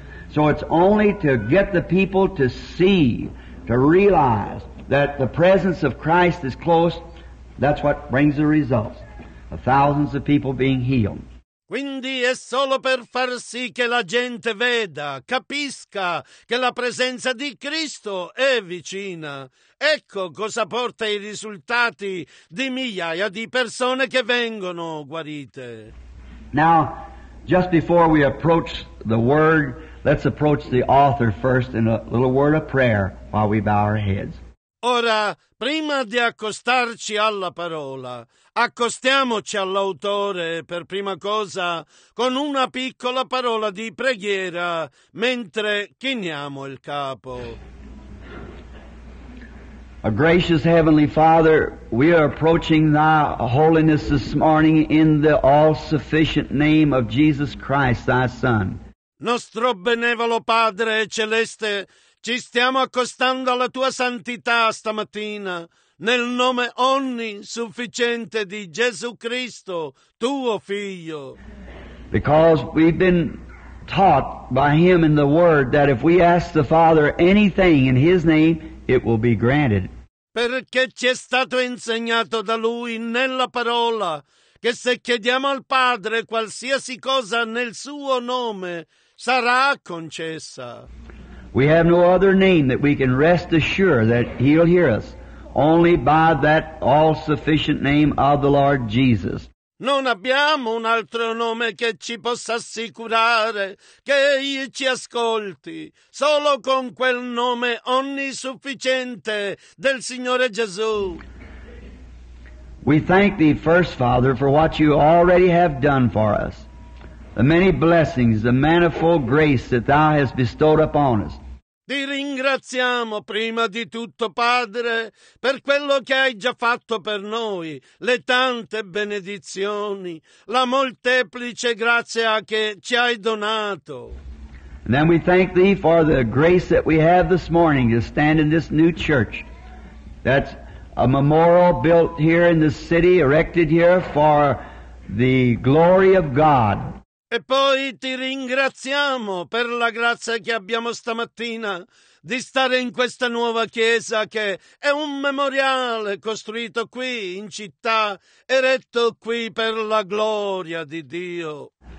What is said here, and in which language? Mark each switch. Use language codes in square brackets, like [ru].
[en] So it's only to get the people to see, to realize that the presence of Christ is close, that's what brings the results of thousands of people being healed. [it] Quindi è solo per far sì che la gente veda, capisca che la presenza di Cristo è vicina. Ecco cosa porta i risultati di migliaia di persone che vengono guarite. [en] Now, just before we approach the Word, let's approach the author first in a little word of prayer while we bow our heads. [it] Ora, prima di accostarci alla parola, accostiamoci all'autore per prima cosa con una piccola parola di preghiera mentre chiniamo il capo. [en] A gracious Heavenly Father, we are approaching Thy holiness this morning in the all-sufficient name of Jesus Christ, Thy Son. [it] Nostro benevolo Padre Celeste, ci stiamo accostando alla Tua santità stamattina, nel nome onnisufficiente di Gesù Cristo, Tuo Figlio. [en] Because we've been taught by Him in the Word that if we ask the Father anything in His name, it will be granted. [it] Perché ci è stato insegnato da Lui nella parola che se chiediamo al Padre qualsiasi cosa nel Suo nome, sarà concessa. [en] We have no other name that we can rest assured that He'll hear us, only by that all-sufficient name of the Lord Jesus. [it] Non abbiamo un altro nome che ci possa assicurare che Egli ci ascolti, solo con quel nome onnisufficiente del Signore Gesù. [en] We thank Thee, first Father, for what You already have done for us, the many blessings, the manifold grace that Thou hast bestowed upon us. [it] Ti ringraziamo prima di tutto, Padre, per quello che hai già fatto per noi, le tante benedizioni, la molteplice grazia che ci hai donato. [en] And then we thank Thee for the grace that we have this morning to stand in this new church. That's a memorial built here in this city, erected here for the glory of God. [it] E poi ti ringraziamo per la grazia che abbiamo stamattina di stare in questa nuova chiesa che è un memoriale costruito qui in città, eretto qui per la gloria di Dio.